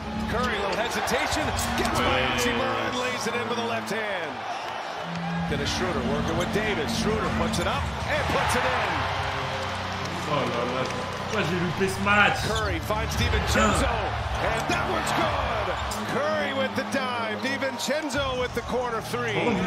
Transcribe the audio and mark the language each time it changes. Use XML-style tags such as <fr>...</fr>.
<en>Curry, a little hesitation, gets by Achimura and lays it in with the left hand. Then a Schroeder working with Davis. Schroeder puts it up and puts it in.</en> <fr>Oh là là, moi j'ai loupé ce match.</fr> <en>Curry finds DiVincenzo, and that one's good. Curry with the dive, DiVincenzo with the corner three.</en>